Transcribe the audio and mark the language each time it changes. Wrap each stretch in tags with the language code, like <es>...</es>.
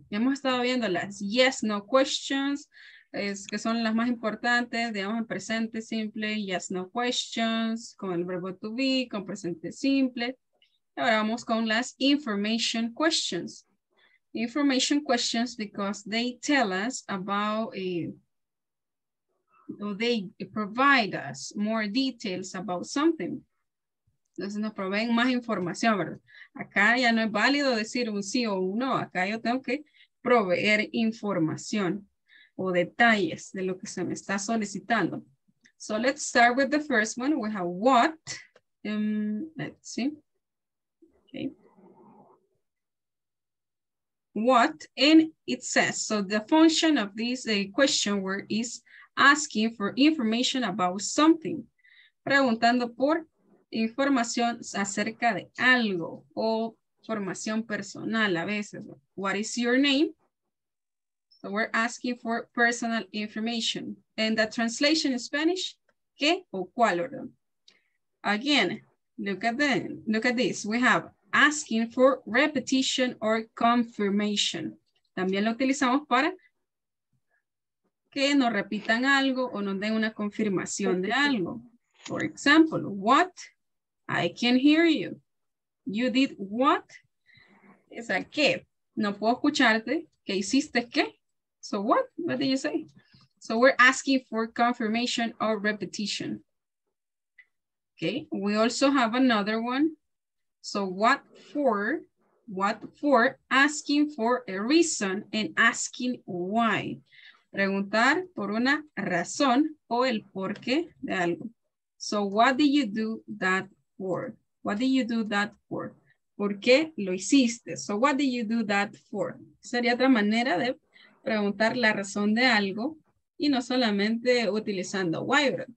<es>Hemos estado viendo las yes, no questions, que son las más importantes, digamos, en presente simple, yes, no questions, con el verbo to be, con presente simple. Ahora vamos con las information questions.</es> <en>Information questions because they tell us about they provide us more details about something.</en> <es>Entonces nos proveen más información, ¿verdad? Acá ya no es válido decir un sí o un no. Acá yo tengo que proveer información o detalles de lo que se me está solicitando.</es> <en>So let's start with the first one. We have what. Let's see. Okay. What, and it says, so the function of this question word is asking for information about something.</en> <es>Preguntando por información acerca de algo o información personal a veces.</es> <en>What is your name? So we're asking for personal information. And the translation in Spanish,</en> <es>¿qué o cuál?</es> <en>Again, look at this. We have asking for repetition or confirmation.</en> <es>También lo utilizamos para que nos repitan algo o nos den una confirmación de algo.</es> <en>For example, what? I can hear you. You did what?</en> <es>Es a qué. No puedo escucharte. ¿Qué hiciste qué?</es> <en>So what? What did you say? So we're asking for confirmation or repetition. Okay. We also have another one. So what for asking for a reason and asking why.</en> <es>Preguntar por una razón o el porqué de algo.</es> <en>So what did you do that for? What did you do that for?</en> <es>¿Por qué lo hiciste?</es> <en>So what did you do that for?</en> <es>Sería otra manera de preguntar la razón de algo y no solamente utilizando why.</es>